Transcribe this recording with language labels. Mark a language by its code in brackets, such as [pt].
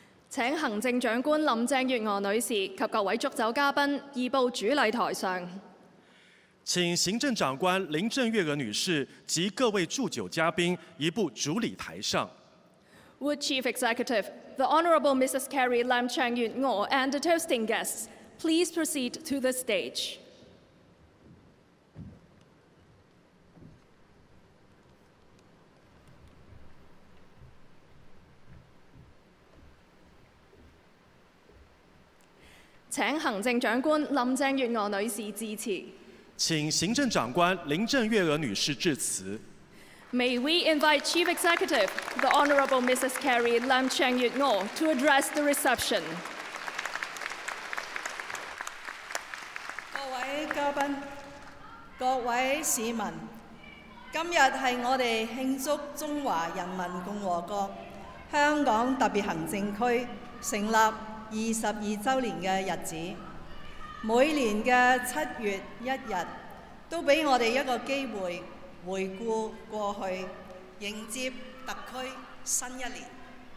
[zh] 請行政長官林鄭月娥女士及各位祝酒嘉賓移步主禮台上。請行政長官林鄭月娥女士及各位祝酒嘉賓移步主禮台上。 [en] Would Chief Executive, the Honourable Mrs. Carrie Lam Cheng Yuen Ngo and the toasting guests please proceed to the stage. [zh] 請行政長官林鄭月娥女士致辭。請行政長官林鄭月娥女士致辭。 [en] May we invite Chief Executive, the Honourable Mrs. Carrie Lam Cheng Yuen Ngo, to address the reception. [zh] 各位嘉賓，各位市民，今日係我哋慶祝中華人民共和國香港特別行政區成立22周年的日子，每年的7月1日都给我们一个机会回顾过去，迎接特区新一年。